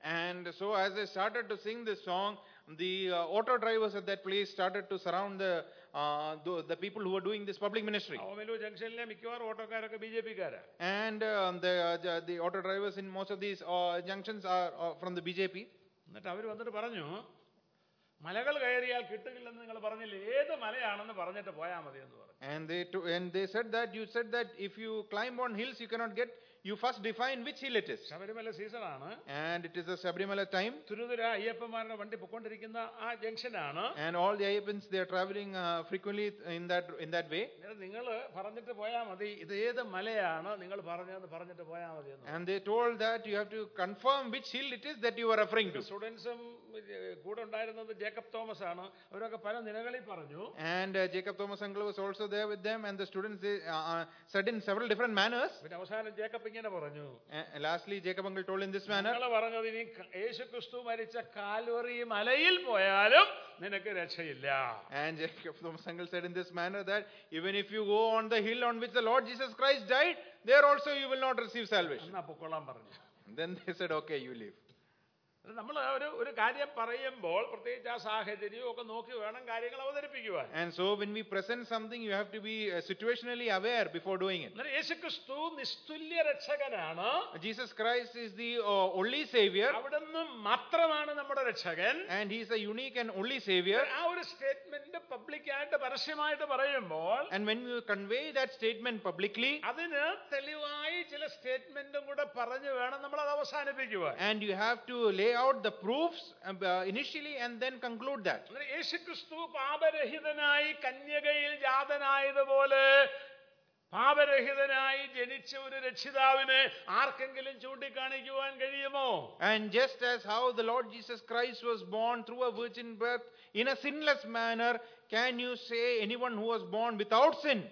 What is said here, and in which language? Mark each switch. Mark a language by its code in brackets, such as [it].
[en] And so as they started to sing this song, the auto drivers at that place started to surround the people who were doing this public ministry. [ml] Omallur ജംഗ്ഷനിലെ മിക്കവാറും ഓട്ടോക്കാരൊക്കെ BJP-ക്കാരാ. [en] And the auto drivers in most of these junctions are from the BJP. [ml] എന്നിട്ട് അവർ വന്നിട്ട് പറഞ്ഞു, മലകൾ കയറിയാൽ കിട്ടുകയില്ലെന്ന് നിങ്ങൾ പറഞ്ഞില്ലേ, ഏത് മലയാണെന്ന് പറഞ്ഞിട്ട് പോയാൽ മതി എന്ന് പറഞ്ഞു. [en] And they said that you said that if you climb on hills you cannot get, you first define which hill it is. [ml] Sabarimala season ആണ്. [en] And it is a Sabarimala time. [ml] തുരുതുര അയ്യപ്പന്മാരുടെ വണ്ടി പൊക്കൊണ്ടിരിക്കുന്ന ആ ജംഗ്ഷൻ ആണ്. [en] And all the Ayyappans, they are traveling frequently in that way. [ml] നിങ്ങൾ പറഞ്ഞിട്ട് പോയാൽ മതി, ഇത് ഏത് മലയാണ് നിങ്ങൾ പറഞ്ഞെന്ന് പറഞ്ഞിട്ട് പോയാൽ മതി എന്ന്. [en] And they told that you have to confirm which hill it is that you are referring to. [ml] സ്റ്റുഡൻസും കൂടെ ഉണ്ടായിരുന്നത് ജേക്കബ് തോമസ് ആണ്. അവരൊക്കെ പല നിലകളിൽ പറഞ്ഞു. [en] And Jacob Thomas uncle was also there with them and the students said in several different manners. [ml] പിന്നെ അവസാനം Jacob ഇങ്ങനെ പറഞ്ഞു. [en] Lastly Jacob uncle told in this manner. [ml] നിങ്ങൾ പറഞ്ഞത് ഇനി യേശുക്രിസ്തു മരിച്ച കാൽവറി മലയിൽ പോയാലും നിനക്ക് രക്ഷയില്ല. [en] And Jacob Thomas uncle said in this manner that even if you go on the hill on which the Lord Jesus Christ died, there also you will not receive salvation. [ml] എന്നാ പൊക്കോളാൻ പറഞ്ഞു. [en] Then they said okay, you leave. [ml] നമ്മൾ ഒരു ഒരു കാര്യം പറയുമ്പോൾ പ്രത്യേകിച്ച് ആ സാഹചര്യവും ഒക്കെ നോക്കി വേണം കാര്യങ്ങൾ അവതരിപ്പിക്കുവാൻ. [en] And so when we present something you have to be situationally aware before doing it. [ml] യേശുക്രിസ്തു നിസ്തുല്യ രക്ഷകനാണ്. [en] Jesus Christ is the only savior. [ml] അവിടുന്ന് മാത്രമാണ് നമ്മുടെ രക്ഷകൻ. [en] And he is a unique and only savior. [ml] ആ ഒരു സ്റ്റേറ്റ്മെന്റ് പബ്ലിക് ആയിട്ട് പരസ്യമായിട്ട് പറയുമ്പോൾ, [en] And when you convey that statement publicly, [ml] അതിന് തെളിവായി ചില സ്റ്റേറ്റ്മെന്റും കൂടെ പറഞ്ഞു വേണം നമ്മൾ അത് അവസാനിപ്പിക്കുവാൻ. [en] And you have to lay out the proofs initially and then conclude that. [ml] യേശുക്രിസ്തു പാപരഹിതനായി കന്യകയിൽ ജാതനായതുപോലെ പാപരഹിതനായി ജനിച്ച ഒരു രക്ഷിതാവിനെ ആർക്കെങ്കിലും ചൂണ്ടിക്കാണിക്കുവാൻ കഴിയുമോ? [en] And just as how the Lord Jesus Christ was born through a virgin birth in a sinless manner, can you say anyone who was born without sin?